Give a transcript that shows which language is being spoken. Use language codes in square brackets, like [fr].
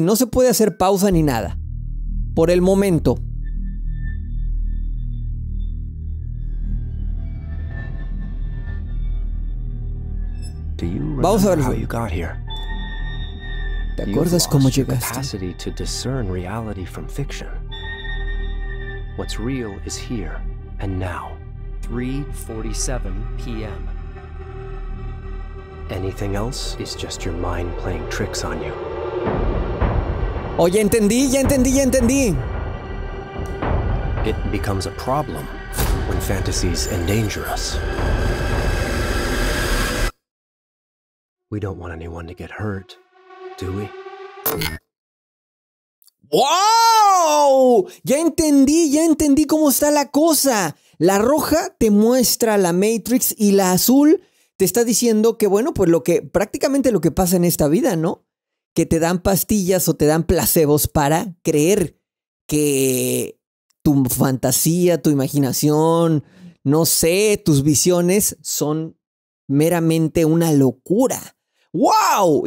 [es] No se puede hacer pausa ni nada. Por el momento. Vamos a ver cómo llegaste. ¿Te acuerdas cómo llegaste? [en] Capacity to discern reality from fiction. What's real is here and now. 3:47 p.m. Anything else is just your mind playing tricks on you. [es] Oh, ya entendí. [en] It becomes a problem when fantasies endanger us. We don't want anyone to get hurt, do we? ¡Wow! [es] Ya entendí cómo está la cosa. La roja te muestra la Matrix y la azul te está diciendo que, bueno, pues lo que prácticamente lo que pasa en esta vida, ¿no? Que te dan pastillas o te dan placebos para creer que tu fantasía, tu imaginación, no sé, tus visiones son meramente una locura. ¡Wow!